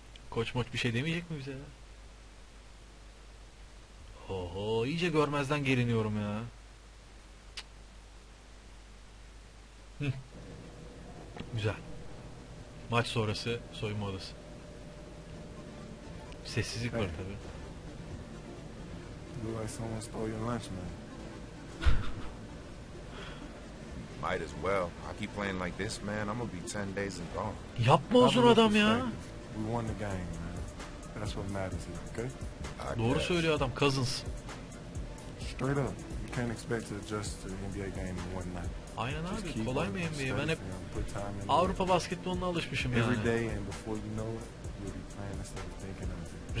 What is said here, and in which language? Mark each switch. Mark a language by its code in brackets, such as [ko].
[tr] Koç moç bir şey demeyecek mi bize? Oho, iyice görmezden geliniyorum ya. Güzel. Maç sonrası soyunma odası. Sessizlik var tabi. [en] You guys almost stole your lunch, man. Might as well. I keep playing like this, man. I'm gonna be 10 days and gone. [tr] Yapma uzun adam ya. [en] We won the game, man. That's what matters here, okay? [tr] Doğru söylüyor adam, Cousins. [en] Straight up. You can't expect to adjust to the NBA game in one night. [tr] Aynen abi, kolay mı NBA? Ben hep Avrupa basketboluna alışmışım yani. [en] Every day and before you know it, you'll be playing instead of thinking of it.